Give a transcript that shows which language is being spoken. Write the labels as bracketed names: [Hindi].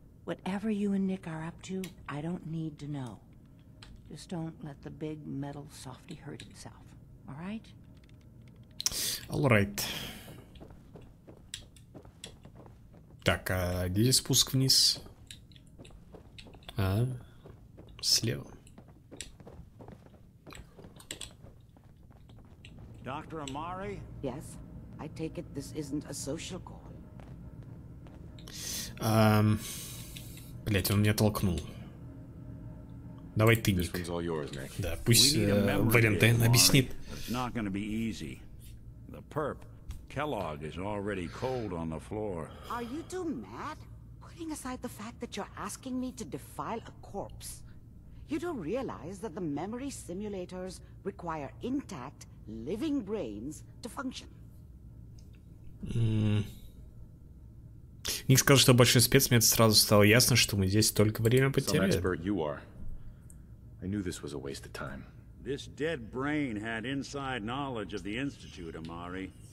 [English] Whatever you and Nick are up to, I don't need to know. Just don't let the big metal softy hurt himself, all right? All right. [Russian] Так, а где здесь спуск вниз? А, слева. [English] Dr. Amari? Yes, I take it this isn't a social call. [Russian] Блять, он меня толкнул. Давай ты, Ник. [English] Yours, Nick. [Russian] Да, пусть Валентайн объяснит. [English] It's not gonna be easy. The perp. Kellogg is already cold on the floor. Are you two mad? Putting aside the fact that you're asking me to defile a corpse, you don't realize that the memory simulators require intact, living brains to function. [Russian] Ник сказал, что большой спец, мне сразу стало ясно, что мы здесь только время потеряли. [English] Some expert you are. I knew this was a waste of time. This dead brain had inside knowledge of the Institute, Amari.